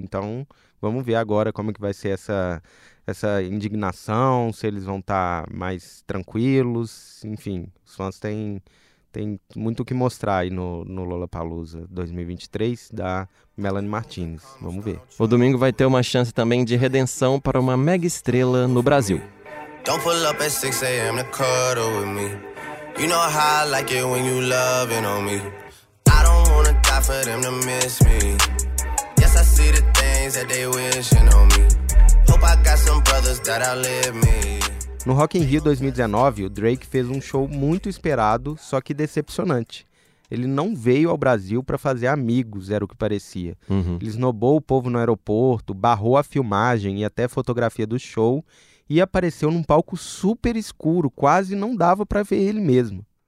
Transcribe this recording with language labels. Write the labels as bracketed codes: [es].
[pt] Então, vamos ver agora como que vai ser essa indignação, se eles vão estar mais tranquilos. Enfim, os fãs têm muito o que mostrar aí no Lollapalooza 2023 da Melanie Martinez. Vamos ver. O domingo vai ter uma chance também de redenção para uma mega estrela no Brasil. [en] Don't pull up at 6 a.m. to cuddle with me. You know how I like it when you loving on me. I don't wanna die for them to miss me. Yes, I see the things that they wishing on me. Hope I got some brothers that outlive me. [pt] No Rock in Rio 2019, o Drake fez um show muito esperado, só que decepcionante. Ele não veio ao Brasil para fazer amigos, era o que parecia. Uhum. Ele esnobou o povo no aeroporto, barrou a filmagem e até a fotografia do show e apareceu num palco super escuro, quase não dava para ver ele mesmo.